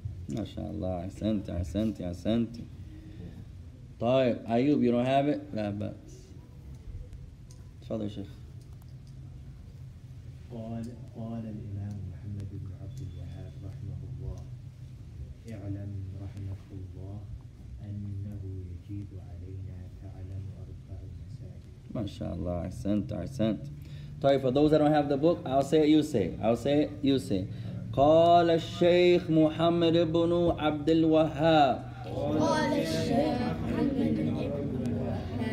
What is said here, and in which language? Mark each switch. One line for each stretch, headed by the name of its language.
English: MashaAllah, I sent it. Taib, Ayub, you don't have it? La but. Father Sheikh.
Arabic: قال الإمام محمد بن عبد الوهاب رحمه الله اعلم رحمه الله أنه يجيب علينا تعلم أربع مسائل.
English: MashaAllah, I sent. Taib, for those that don't have the book, I'll say it, you say.
Arabic: قال الشيخ محمد بن عبد الوهاب قال الشيخ محمد بن عبد الوهاب